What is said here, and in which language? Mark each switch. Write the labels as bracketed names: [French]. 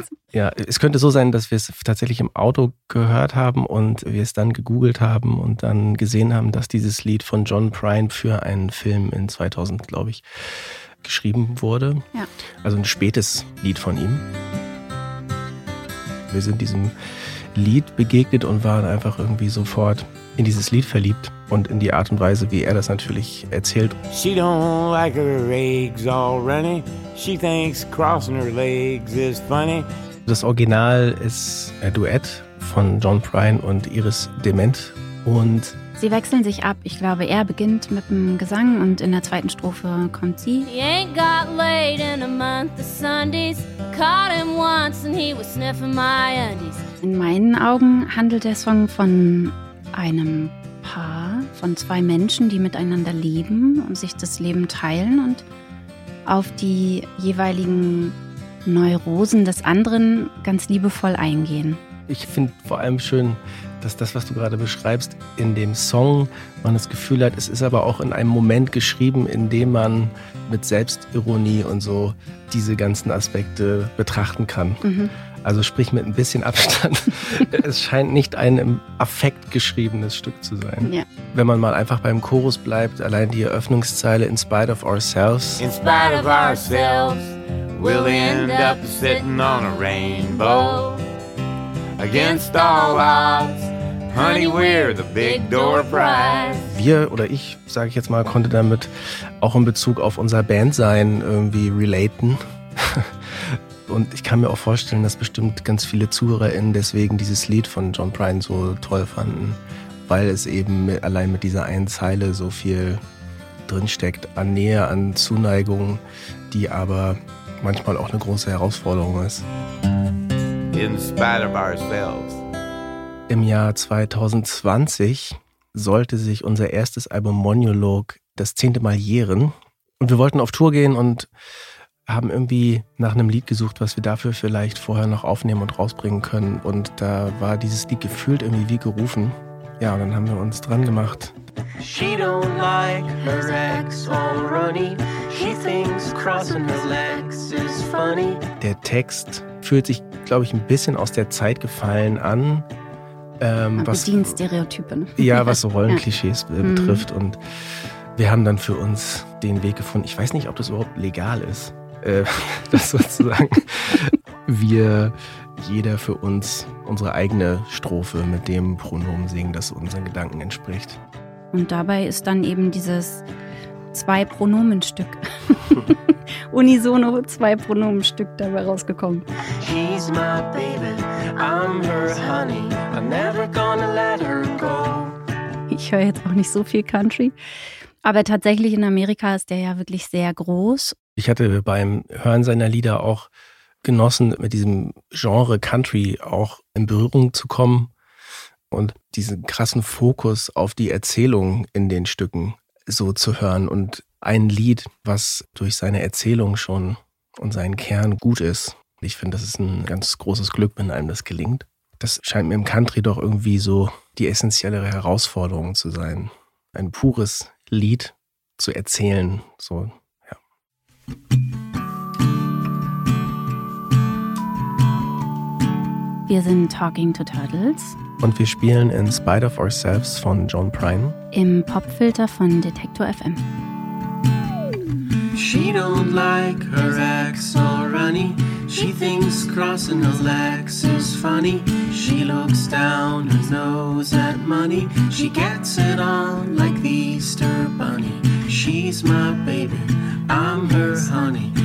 [German] Ja, es könnte so sein, dass wir es tatsächlich im Auto gehört haben und wir es dann gegoogelt haben und dann gesehen haben, dass dieses Lied von John Prine für einen Film in 2000, glaube ich, geschrieben wurde. Ja. Also ein spätes Lied von ihm. Wir sind diesem Lied begegnet und waren einfach irgendwie sofort in dieses Lied verliebt und in die Art und Weise, wie er das natürlich erzählt. [English] She don't like her eggs all runny. She thinks crossing her legs is funny. [German] Das Original ist ein Duett von John Prine und Iris Dement und sie wechseln sich ab. Ich glaube, er beginnt mit dem Gesang und in der zweiten Strophe kommt sie. [English] He ain't got laid in a month of Sundays. Caught him once and he was sniffing my undies. [German] In meinen Augen handelt der Song von einem Paar, von zwei Menschen, die miteinander leben und sich das Leben teilen und auf die jeweiligen Neurosen des anderen ganz liebevoll eingehen. Ich finde vor allem schön, dass das, was du gerade beschreibst, in dem Song man das Gefühl hat, es ist aber auch in einem Moment geschrieben, in dem man mit Selbstironie und so diese ganzen Aspekte betrachten kann. Mhm. Also sprich mit ein bisschen Abstand. Es scheint nicht ein im Affekt geschriebenes Stück zu sein. Ja. Wenn man mal einfach beim Chorus bleibt, allein die Eröffnungszeile In Spite of Ourselves. [English] In spite of ourselves, we'll end up sitting on a rainbow. Against all odds, honey, we're the big door prize. [German] Wir oder ich, sage ich jetzt mal, konnte damit auch in Bezug auf unser Bandsein irgendwie relaten. Und ich kann mir auch vorstellen, dass bestimmt ganz viele ZuhörerInnen deswegen dieses Lied von John Prine so toll fanden, weil es eben allein mit dieser einen Zeile so viel drinsteckt an Nähe, an Zuneigung, die aber manchmal auch eine große Herausforderung ist. [English] In spite of ourselves. [German] Im Jahr 2020 sollte sich unser erstes Album Monologue das 10. Mal jähren. Und wir wollten auf Tour gehen und haben irgendwie nach einem Lied gesucht, was wir dafür vielleicht vorher noch aufnehmen und rausbringen können. Und da war dieses Lied gefühlt irgendwie wie gerufen. Ja, und dann haben wir uns dran gemacht. [English] She don't like her ex all runny. She thinks crossing her legs is funny. [German] Der Text fühlt sich, glaube ich, ein bisschen aus der Zeit gefallen an. Was bedient Stereotypen. Ja, was so Rollenklischees betrifft. Und wir haben dann für uns den Weg gefunden. Ich weiß nicht, ob das überhaupt legal ist, dass sozusagen wir jeder für uns unsere eigene Strophe mit dem Pronomen singen, das unseren Gedanken entspricht. Und dabei ist dann eben dieses Zwei-Pronomen-Stück, unisono Zwei-Pronomen-Stück dabei rausgekommen. [English] She's my baby, I'm her honey, I'm never gonna let her go. [German] ich höre jetzt auch nicht so viel Country. Aber tatsächlich in Amerika ist der ja wirklich sehr groß. Ich hatte beim Hören seiner Lieder auch genossen, mit diesem Genre Country auch in Berührung zu kommen und diesen krassen Fokus auf die Erzählung in den Stücken so zu hören. Und ein Lied, was durch seine Erzählung schon und seinen Kern gut ist. Ich finde, das ist ein ganz großes Glück, wenn einem das gelingt. Das scheint mir im Country doch irgendwie so die essentiellere Herausforderung zu sein, ein pures Lied zu erzählen. So, ja. Wir sind Talking to Turtles. Und wir spielen In Spite of Ourselves von John Prine. Im Popfilter von Detektor FM. [English] She don't like her ex all runny. She thinks crossing her legs is funny. She looks down her nose at money. She gets it on like the Easter bunny. She's my baby, I'm her honey.